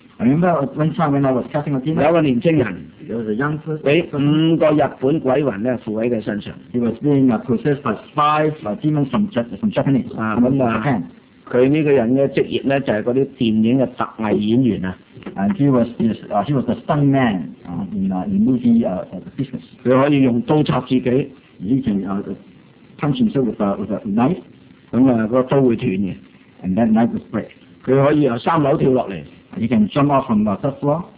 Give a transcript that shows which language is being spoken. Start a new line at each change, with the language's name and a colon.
English: I remember one time when I was casting a demon.
Cantonese: 有個年輕人，
English: 有個 young person，
Cantonese: 俾五個日本鬼魂咧附喺佢身上。
English: He was being possessed by five demons from Japanese.
Cantonese: 佢呢個人嘅職業咧就係嗰啲電影嘅特藝演員啊。
English: And he was the stuntman in movie business.
Cantonese: 佢可以用刀插自己，
English: 以前 punch himself with a knife，
Cantonese: 咁啊個刀會斷嘅。
English: and then make the spread.
Cantonese: 佢可以由三樓跳落嚟。
English: You can jump off from the third floor.